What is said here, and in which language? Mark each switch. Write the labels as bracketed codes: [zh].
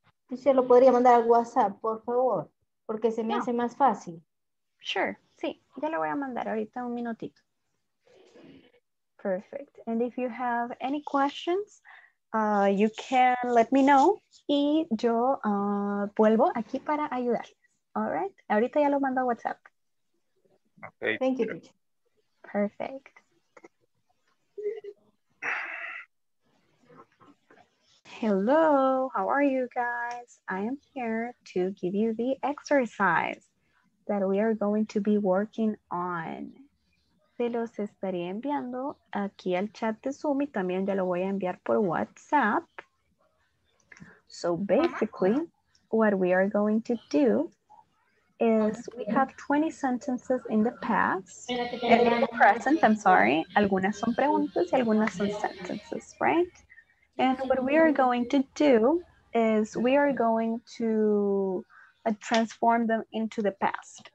[es] ¿Y se lo podría mandar a WhatsApp, por favor? Porque se me hace más fácil. [en] Sure. [es] Sí, ya lo voy a mandar ahorita un minutito. [en] Perfect. And if you have any questions, you can let me know. [es] Y yo vuelvo aquí para ayudarles. [en] All right? [es] Ahorita ya lo mando a WhatsApp. [en] Okay. Thank you, teacher. Perfect. Hello, how are you guys? I am here to give you the exercise that we are going to be working on. [es] Se los estaré enviando aquí al chat de Zoom y también ya lo voy a enviar por WhatsApp. [en] So basically, what we are going to do is we have 20 sentences in the past, in the present, I'm sorry. [es] Algunas son preguntas y algunas son sentences, [en] right? And what we are going to do is we are going to transform them into the past.